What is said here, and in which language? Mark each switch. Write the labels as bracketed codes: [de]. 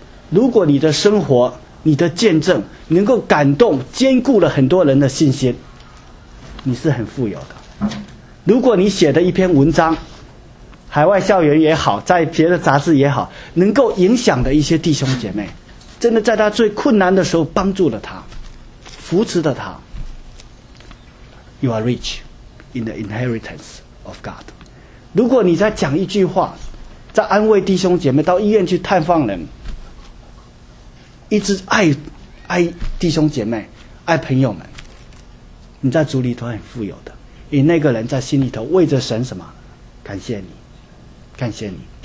[zh] 如果你的生活，你的见证能够感动坚固了很多人的信心，你是很富有的。如果你写的一篇文章，海外校园也好，在别的杂志也好，能够影响的一些弟兄姐妹，真的在他最困难的时候帮助了他，扶持了他， [en] you are rich in the inheritance of God. [zh] 如果你再讲一句话，再安慰弟兄姐妹，到医院去探访人，一直爱弟兄姐妹，爱朋友们，你在主里头很富有的，因为那个人在心里头为着神什么，感谢你，感谢你。